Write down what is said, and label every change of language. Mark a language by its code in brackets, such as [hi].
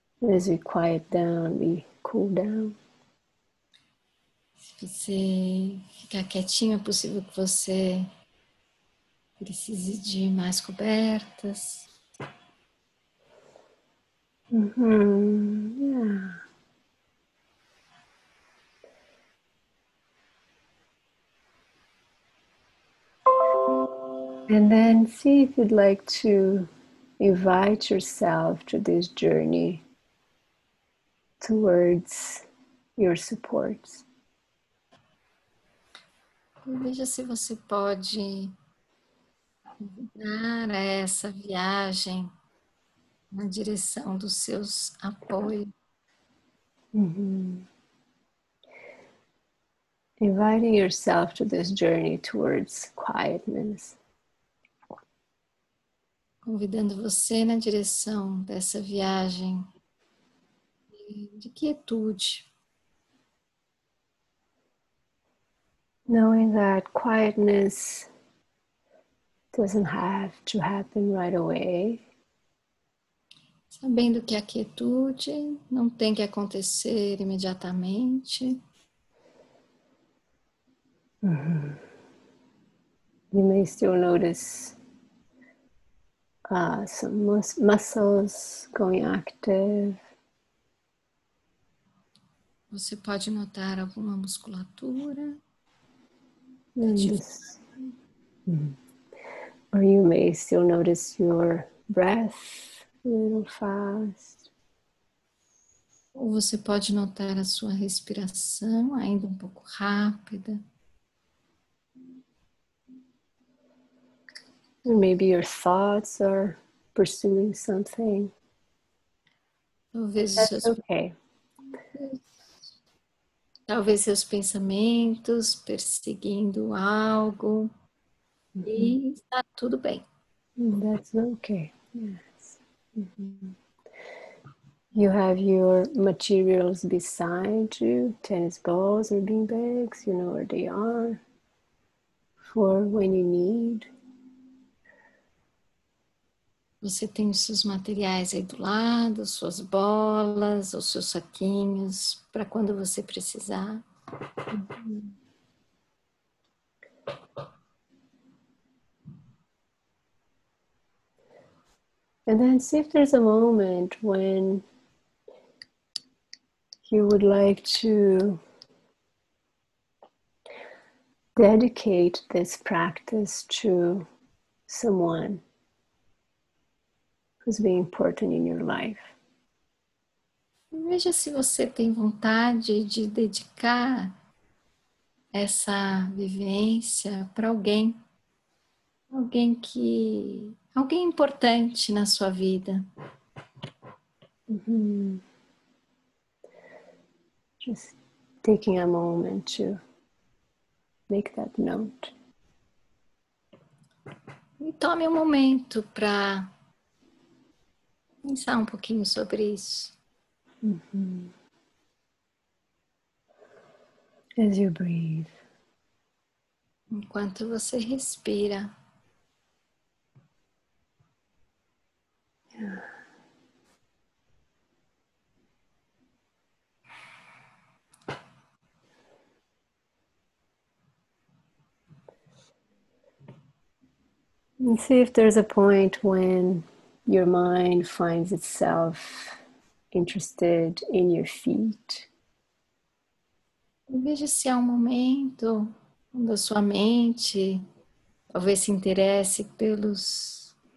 [en] As you quiet down, we cool down. [pt] Se você ficar quietinho, é possível que você precise de mais cobertas. [en] And then see if you'd like to invite yourself to this journey towards your supports. [pt] Veja se você pode dar essa viagem na direção dos seus apoios. [en] Inviting yourself to this journey towards quietness. [pt] Convidando você na direção dessa viagem de quietude. [en] Knowing that quietness doesn't have to happen right away. [pt] Sabendo que a quietude não tem que acontecer imediatamente. [en] You may still notice some muscles going active. [pt] Você pode notar alguma musculatura. [en] Or you may still notice your breath a little fast. [pt] Ou você pode notar a sua respiração ainda um pouco rápida. [en] Or maybe your thoughts are pursuing something. [pt] Talvez [en] That's okay. [pt] Talvez seus pensamentos perseguindo algo. E está tudo bem. [en] That's okay. Yes. You have your materials beside you, tennis balls or beanbags, you know where they are for when you need. [pt] Você tem os seus materiais aí do lado, suas bolas, os seus saquinhos, para quando você precisar. [en] And then see if there's a moment when you would like to dedicate this practice to someone who's being important in your life. [pt] Veja se você tem vontade de dedicar essa vivência para alguém. Alguém importante na sua vida. [en] Just taking a moment to make that note. [pt] E tome um momento para pensar um pouquinho sobre isso. [en] As you breathe. [pt] Enquanto você respira. [en] And see if there's a point when your mind finds itself interested in your feet. [pt] Veja se há um momento onde a sua mente talvez se interesse pelos